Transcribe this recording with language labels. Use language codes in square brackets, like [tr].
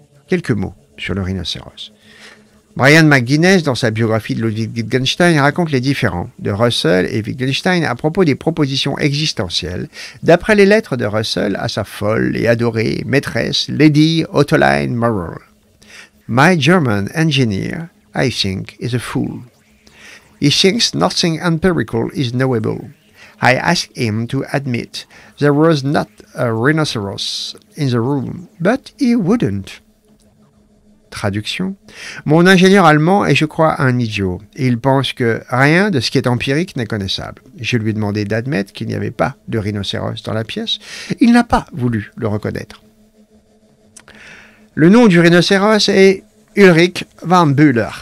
[fr] Quelques mots sur le rhinocéros. Brian McGuinness, dans sa biographie de Ludwig Wittgenstein, raconte les différends de Russell et Wittgenstein à propos des propositions existentielles, d'après les lettres de Russell à sa folle et adorée maîtresse Lady Ottoline Morrell. [en] « My German engineer, I think, is a fool. He thinks nothing empirical is knowable. I asked him to admit there was not a rhinoceros in the room, but he wouldn't. » [fr] Traduction. Mon ingénieur allemand est, je crois, un idiot. Et il pense que rien de ce qui est empirique n'est connaissable. Je lui ai demandé d'admettre qu'il n'y avait pas de rhinocéros dans la pièce. Il n'a pas voulu le reconnaître. Le nom du rhinocéros est Ulrich von Bühler.